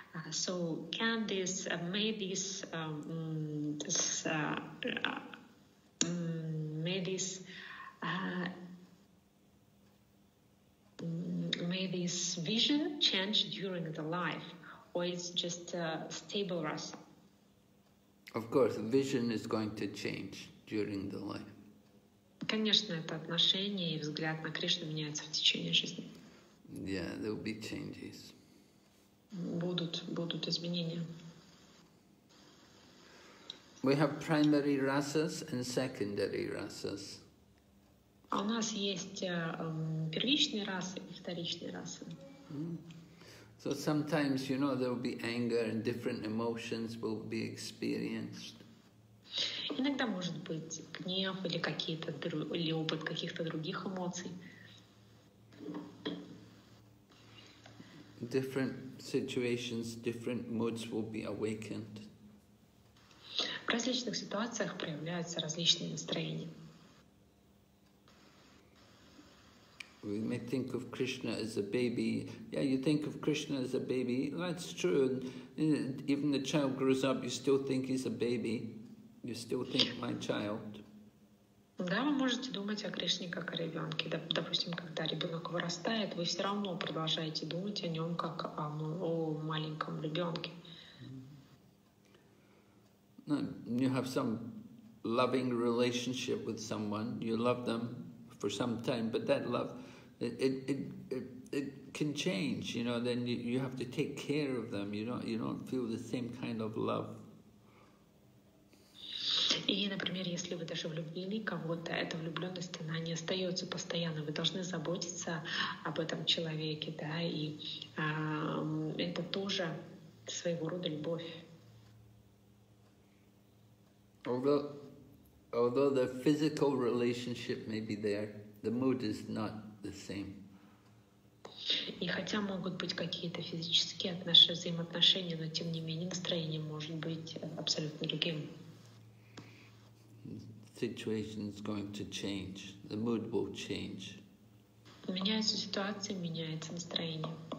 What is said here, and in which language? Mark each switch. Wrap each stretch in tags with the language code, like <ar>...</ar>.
<en>So can this may this vision change during the life, or it's just a stable rasa? Of course, vision is going to change during the life.</en> <ru>Конечно, это отношение и взгляд на Кришну меняется в течение жизни.</ru> <en>Yeah, there will be changes.</en> <ru>Будут изменения.</ru> <en>We have primary rasas and secondary rasas.</en> <ru>А у нас есть первичные расы и вторичные расы. Mm.</ru> <en>So sometimes, you know, there will be anger and different emotions will be experienced.</en> <ru>Иногда может быть гнев или какие-то или опыт каких-то других эмоций.</ru> <en>Different situations, different moods will be awakened.</en> <ru>В различных ситуациях проявляются различные настроения.</ru> <en>We may think of Krishna as a baby. Yeah, you think of Krishna as a baby. That's true. And even the child grows up, you still think he's a baby. You still think my child.</en> <ru>Да, вы можете думать о Кришне как о ребенке. Допустим, когда ребенок вырастает, вы все равно продолжаете думать о нем как о маленьком ребенке.</ru> <en>No, you have some loving relationship with someone. You love them for some time, but that love, it can change. You know, then you have to take care of them. You don't feel the same kind of love.</en> <ru>И, например, если вы даже влюбили кого-то, эта влюблённость, она не остаётся постоянно. Вы должны заботиться об этом человеке, да, и это тоже своего рода любовь.</ru> <en>Although the physical relationship may be there, the mood is not the same.</en> <ru>И хотя могут быть какие-то физические взаимоотношения, но тем не менее настроение может быть абсолютно другим.</ru> <en>Situation is going to change. The mood will change.</en> <ru>Меняется ситуация, меняется настроение.</ru>